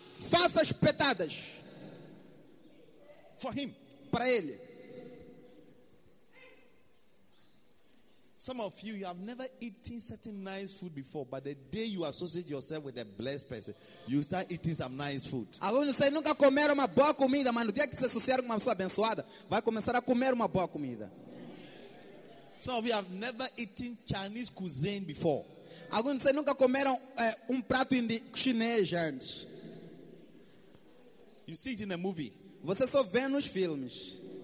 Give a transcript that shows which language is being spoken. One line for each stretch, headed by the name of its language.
Portuguese: Faça espetadas.
English: For him.
Portuguese: Para ele.
English: Some of you have never eaten certain nice food before, but the day you associate yourself with a blessed person, you start eating some nice food.
Portuguese: Alguns dizem nunca comeram uma boa comida, mas no dia que se associar com uma pessoa abençoada, vai começar a comer uma boa comida.
English: Some of you have never eaten Chinese cuisine before.
Portuguese: Alguns dizem nunca comeram prato chinês antes.
English: You see it in a movie.
Portuguese: Você só vê nos filmes.